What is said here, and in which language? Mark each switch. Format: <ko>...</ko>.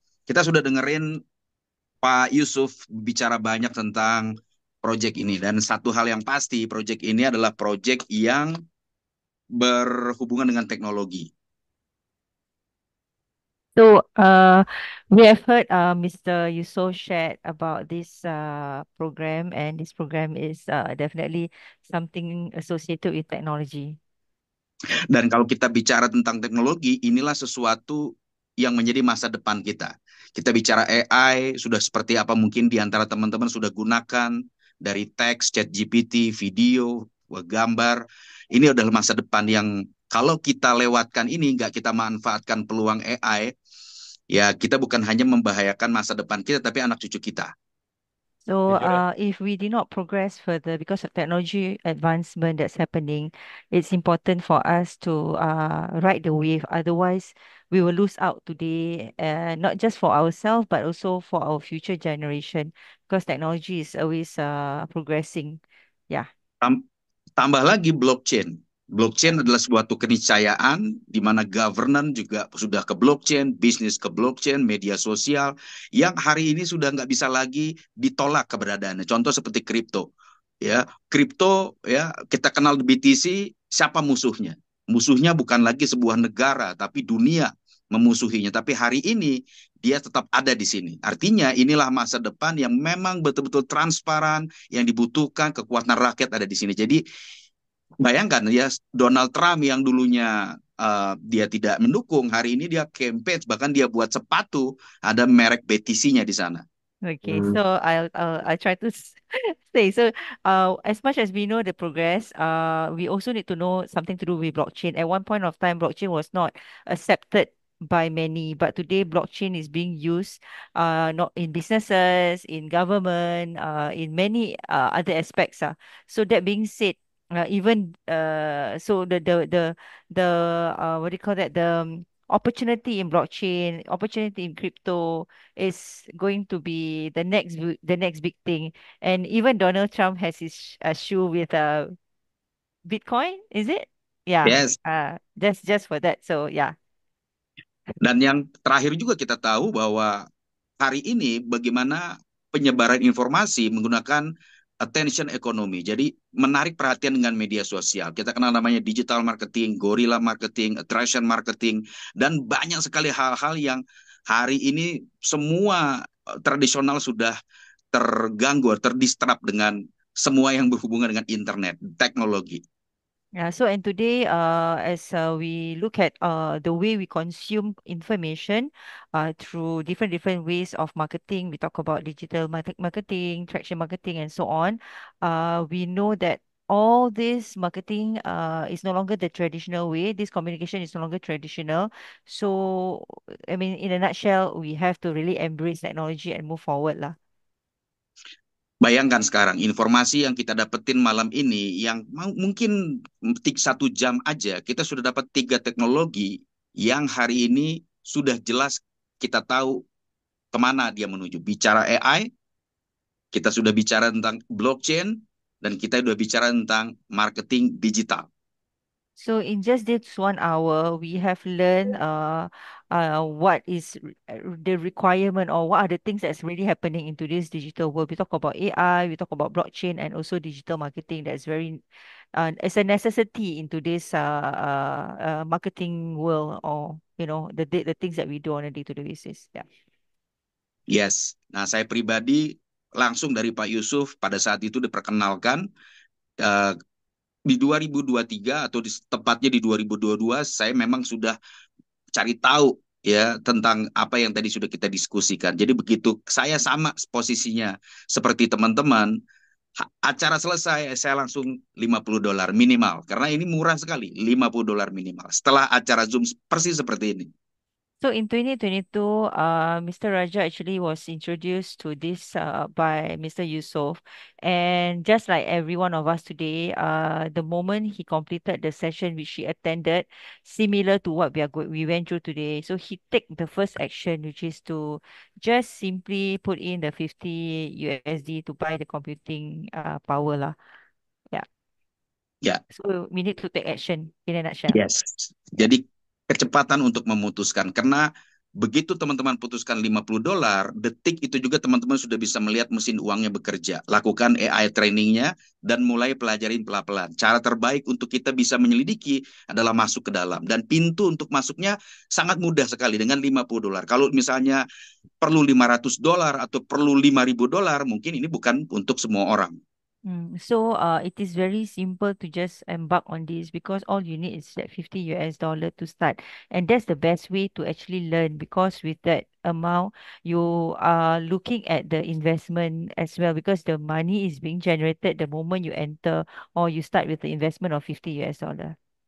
<id>Kita sudah dengerin Pak Yusuf bicara banyak tentang proyek ini, dan satu hal yang pasti proyek ini adalah proyek yang berhubungan dengan teknologi.</id> <en>So, we have heard Mr. Yusof shared about this program, and this program is definitely something associated with technology.</en> <id>Dan kalau kita bicara tentang teknologi, inilah sesuatu yang menjadi masa depan kita. Kita bicara AI, sudah seperti apa mungkin di antara teman-teman sudah gunakan dari teks, chat GPT, video, gambar. Ini adalah masa depan yang kalau kita lewatkan ini, nggak kita manfaatkan peluang AI, ya kita bukan hanya membahayakan masa depan kita, tapi anak cucu kita.</id> <en>So, Yeah. if we do not progress further because of technology advancement that's happening, it's important for us to ride the wave. Otherwise, we will lose out today, not just for ourselves, but also for our future generation, because technology is always progressing. Yeah.</en> <id>Tambah lagi blockchain. Blockchain adalah suatu keniscayaan di mana governance juga sudah ke blockchain, bisnis ke blockchain, media sosial yang hari ini sudah nggak bisa lagi ditolak keberadaannya. Contoh seperti kripto. Ya, kripto ya kita kenal BTC, siapa musuhnya? Musuhnya bukan lagi sebuah negara, tapi dunia memusuhinya. Tapi hari ini dia tetap ada di sini. Artinya inilah masa depan yang memang betul-betul transparan, yang dibutuhkan kekuatan rakyat ada di sini. Jadi Bayangkan ya, Donald Trump yang dulunya dia tidak mendukung, hari ini dia campaign, bahkan dia buat sepatu ada merek BTC-nya di sana.</id> <en>Okay, so I'll try to say. So, as much as we know the progress, we also need to know something to do with blockchain. At one point of time, blockchain was not accepted by many, but today blockchain is being used, not in businesses, in government, in many other aspects. So that being said, even so the what do you call that, the opportunity in blockchain, opportunity in crypto is going to be the next big thing. And even Donald Trump has his shoe with a Bitcoin, is it? Yeah. Yes. Just for that. So yeah.</en> <id>Dan yang terakhir juga kita tahu bahwa hari ini bagaimana penyebaran informasi menggunakan attention economy. Jadi menarik perhatian dengan media sosial. Kita kenal namanya digital marketing, guerrilla marketing, attraction marketing, dan banyak sekali hal-hal yang hari ini semua tradisional sudah terganggu, terdistrap dengan semua yang berhubungan dengan internet, teknologi.</id> <en>Yeah, so and today, as we look at the way we consume information through different ways of marketing, we talk about digital marketing, traction marketing, and so on. We know that all this marketing is no longer the traditional way. This communication is no longer traditional. So, I mean, in a nutshell, we have to really embrace technology and move forward lah. Bayangkan sekarang informasi yang kita dapetin malam ini yang mungkin 1 jam aja kita sudah dapat 3 teknologi yang hari ini sudah jelas kita tahu kemana dia menuju. Bicara AI, kita sudah bicara tentang blockchain, dan kita sudah bicara tentang marketing digital. So in just this 1 hour, we have learned what is the requirement or what are the things that's really happening in today's digital world. We talk about AI, we talk about blockchain, and also digital marketing. That's very, it's a necessity in today's marketing world, or you know the things that we do on a day-to-day basis. Yeah. Yes.</en> <id>Nah, saya pribadi langsung dari Pak Yusuf pada saat itu diperkenalkan di 2023 atau tepatnya di 2022, saya memang sudah cari tahu ya tentang apa yang tadi sudah kita diskusikan. Jadi begitu saya sama posisinya seperti teman-teman, acara selesai saya langsung $50 minimal karena ini murah sekali, $50 minimal setelah acara Zoom persis seperti ini.</id> <en>So in 2022, Mr. Raja actually was introduced to this by Mr. Yusof. And just like every one of us today, the moment he completed the session which he attended, similar to what we went through today, so he take the first action, which is to just simply put in the 50 USD to buy the computing power lah. Yeah.</en> <id>Ya.</id> <en>So we need to take action in a nutshell. Yes.</en> <id>Jadi kecepatan untuk memutuskan, karena begitu teman-teman putuskan $50, detik itu juga teman-teman sudah bisa melihat mesin uangnya bekerja. Lakukan AI trainingnya dan mulai pelajarin pelan-pelan. Cara terbaik untuk kita bisa menyelidiki adalah masuk ke dalam. Dan pintu untuk masuknya sangat mudah sekali dengan $50. Kalau misalnya perlu $500 atau perlu $5.000, mungkin ini bukan untuk semua orang.</id> <en>So it is very simple to just embark on this, because all you need is that 50 US dollar to start, and that's the best way to actually learn, because with that amount you are looking at the investment as well, because the money is being generated the moment you enter or you start with the investment of 50 US dollar.</en>